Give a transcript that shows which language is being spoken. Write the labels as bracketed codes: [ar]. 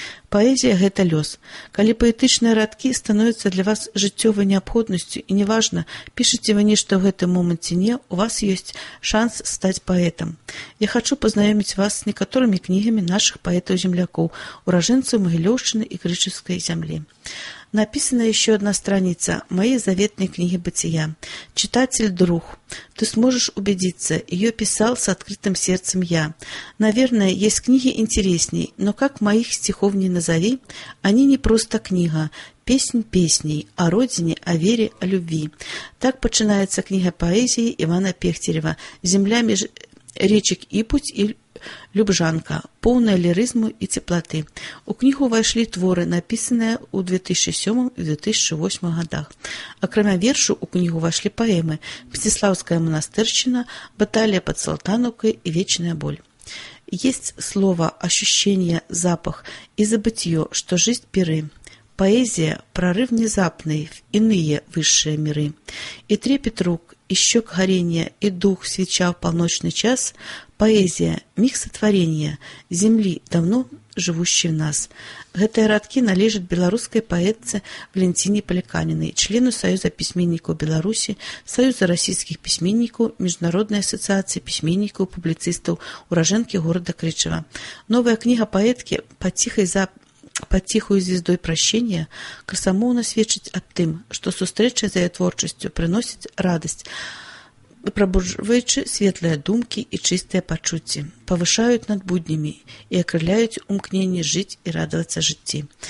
[be] Паэзія – гэта лёс. Калі паэтычныя радкі становяцца для вас жыццёвай неабходнасцю, і неважна, пішаце вы нешта ў гэты момант ці не, у вас ёсць шанс стаць паэтам. Я хачу пазнаёміць вас з некаторымі кнігамі нашых паэтаў-землякоў, уражэнцаў Магілёўшчыны і Крычыцкай зямлі. [ru] Написана еще одна страница моей заветной книги «Бытия». «Читатель, друг, ты сможешь убедиться, ее писал с открытым сердцем я. Наверное, есть книги интересней, но как моих стихов не назови, они не просто книга, песнь песней о родине, о вере, о любви». Так начинается книга поэзии Ивана Пехтерева «Земля меж речек Ипуть и Любжанка», [be] поўная лірызму і цеплаты. У кнігу ўвайшлі творы, напісаныя ў 2007-2008 годах. Акрамя вершу ў кнігу ўвайшлі паэмы «Пстиславская манастырщина», «Баталія пад Салтанукай» і «Вечная боль». [ru] Есть слово, ощущение, запах и забытье, что жизнь пиры. Поэзия – прорыв внезапный в иные высшие миры. И трепет рук, и щек горения, и дух свеча в полночный час – поэзія, міг сотворения земли, давно живущей в нас. [be] Гэтыя радкі належаць беларускай паэтцы Валянціне Паліканінай, члену Саюза пісьменнікаў Беларусі, Саюза расійскіх пісьменнікаў, Міжнароднай асацыяцыі пісьменнікаў-публіцыстаў, уражэнкі горада Крычыва. Новая кніга паэткі «Патіхаю звездой прощения» красамоўна сведчыць аб тым, што сустрэча за яе творчасцю прыносіць радасць, пробуджваючы светлыя думкі і чыстыя пачуцці, павышаюць над буднямі і акрыляюць умкненне жыць і радавацца жыцці.